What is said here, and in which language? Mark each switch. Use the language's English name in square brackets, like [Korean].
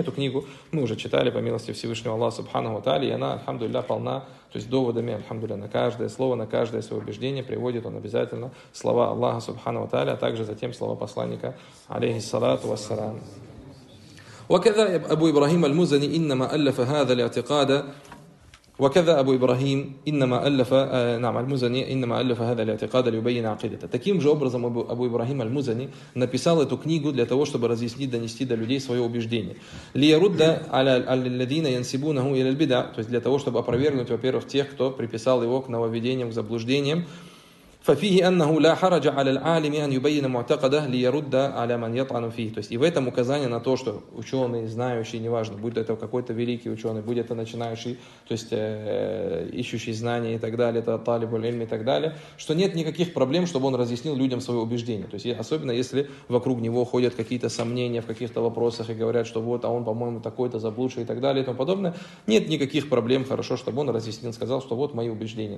[Russian] Эту книгу мы уже читали, по милости Всевышнего Аллаха, Субхану Аталя, и она, альхамдулилля, полна, то есть доводами, альхамдулилля, на каждое слово, на каждое свое убеждение приводит он обязательно слова Аллаха, Субхану Аталя, а также затем слова посланника, алейхиссалату вассалам. [Arabic] Ваказа Абу Ибрахим аль-Музани иннама аллафа хаза ль-атикада. وكذا أبو إبراهيم إنما ألف نعم المزني إنما ألف هذا الاعتقاد ليبين عقيدته. [Russian] Таким же образом Абу Ибрахим аль-Музани написал эту книгу для того, чтобы разъяснить, донести до людей свое убеждение. Лиярудда аль-ладина янсибунаху иля аль-бида, то есть для того, чтобы опровергнуть, во-первых, тех, кто приписал его к нововведениям, к заблуждениям. [Arabic] ففيه أنه لا حرج على العالم أن يبين معتقده ليرد على من يطعن فيه. [Russian] То есть и в этом указание на то, что ученый, знающий, неважно, будь это какой-то великий ученый, будь это начинающий, то есть ищущий знания и так далее, это талиб аль-ильм и так далее, что нет никаких проблем, чтобы он разъяснил людям свое убеждение. То есть особенно если вокруг него ходят какие-то сомнения в каких-то вопросах и говорят, что вот, а он, по-моему, такой-то заблудший и так далее и тому подобное, нет никаких проблем, хорошо, чтобы он разъяснил, сказал, что вот мои убеждения.